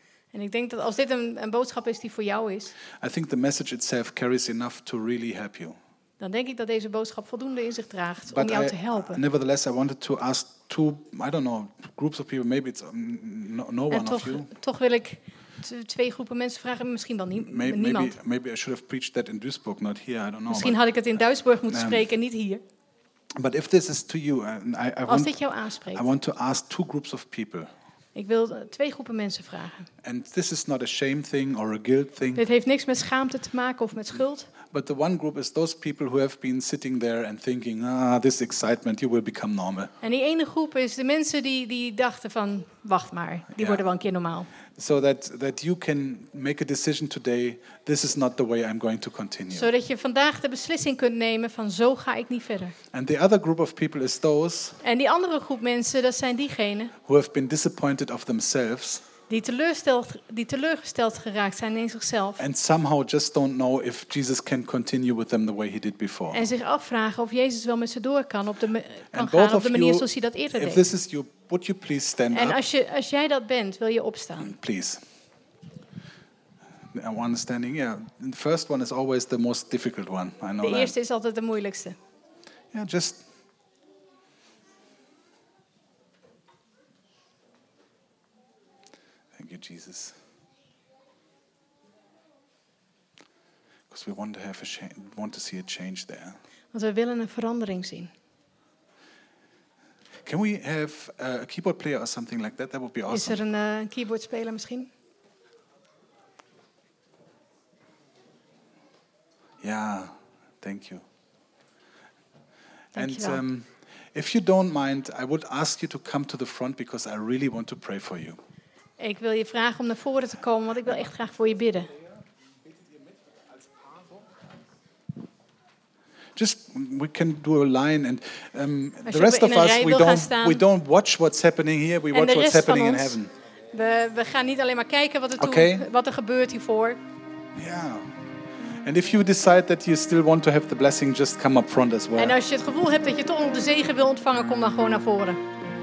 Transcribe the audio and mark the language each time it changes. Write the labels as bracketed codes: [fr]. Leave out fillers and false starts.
[nl] En ik denk dat als dit een boodschap is die voor jou is. [en] I think the message itself carries enough to really help you. [nl] Dan denk ik dat deze boodschap voldoende in zich draagt om jou te helpen. [en] Nevertheless, I wanted to ask two, I don't know, groups of people. Maybe it's no one of you. [nl] Toch wil ik twee groepen mensen vragen, misschien wel niemand. [en] Maybe I should have preached that in Duisburg, not here. I don't know. [nl] Misschien had ik het in Duisburg moeten spreken, niet hier. [en] But if this is to you, [nl] als dit jou aanspreekt. [en] I want to ask two groups of people. [nl] Ik wil twee groepen mensen vragen. [en] And this is not a shame thing or a guilt thing. [nl] Dit heeft niks met schaamte te maken of met schuld. [en] But the one group is those people who have been sitting there and thinking, this excitement, you will become normal. [nl] En die ene groep is de mensen die dachten van, wacht maar, die worden wel een keer normaal. [en] So that you can make a decision today, this is not the way I'm going to continue. [nl] Zodat je vandaag de beslissing kunt nemen van, zo ga ik niet verder. [en] And the other group of people is those. [nl] En die andere groep mensen, dat zijn diegenen. [en] Who have been disappointed of themselves. [nl] Die teleurgesteld geraakt zijn in zichzelf. [en] And somehow just don't know if Jesus can continue with them the way he did before. [nl] En zich afvragen of Jezus wel met ze door kan op de manier zoals hij dat eerder deed. [en] If this is you, would you please stand up? [nl] En als jij dat bent, wil je opstaan? [en] Please. One standing. Yeah. The first one is always the most difficult one. I know. [nl] De eerste is altijd de moeilijkste. [en] Yeah, just. Thank you, Jesus. Because we want to have want to see a change there. [nl] Want we willen een verandering zien. [en] Can we have a keyboard player or something like that? That would be awesome. [nl] Is er een keyboardspeler misschien? [en] Ja, thank you. [nl] Dankjewel. [en] And if you don't mind, I would ask you to come to the front because I really want to pray for you. [nl] Ik wil je vragen om naar voren te komen, want ik wil echt graag voor je bidden. [en] Just we can do a line and the rest of us we don't watch what's happening here, we watch what's happening in heaven. [nl] We gaan niet alleen maar kijken wat er gebeurt hiervoor. [en] Yeah. And if you decide that you still want to have the blessing, just come up front as well. [nl] En als je het gevoel hebt dat je toch nog de zegen wil ontvangen, kom dan gewoon naar voren.